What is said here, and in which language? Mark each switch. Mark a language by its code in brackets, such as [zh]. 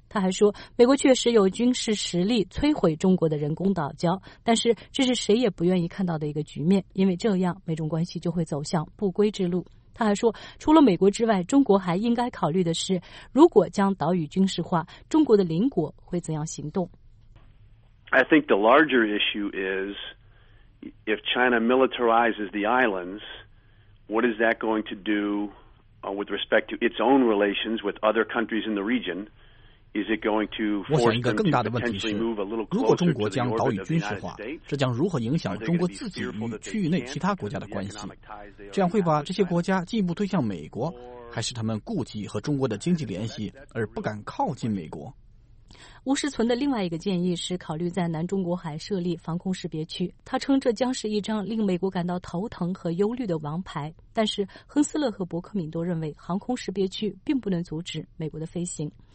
[zh] 他还说，美国确实有军事实力摧毁中国的人工岛礁，但是这是谁也不愿意看到的一个局面，因为这样美中关系就会走向不归之路。他还说，除了美国之外，中国还应该考虑的是，如果将岛屿军事化，中国的邻国会怎样行动。 [en] I think the larger issue is if China militarizes the islands, what is that going to do with respect to its own relations with other countries in the region? Is it going to force them to potentially move a little closer to the United States? [zh] 如果中国将岛屿军事化，这将如何影响中国自己与区域内其他国家的关系？这样会把这些国家进一步推向美国，还是他们顾忌和中国的经济联系而不敢靠近美国？吴世存的另外一个建议是考虑在南中国海设立防空识别区，他称这将是一张令美国感到头疼和忧虑的王牌，但是亨斯勒和伯克敏都认为航空识别区并不能阻止美国的飞行。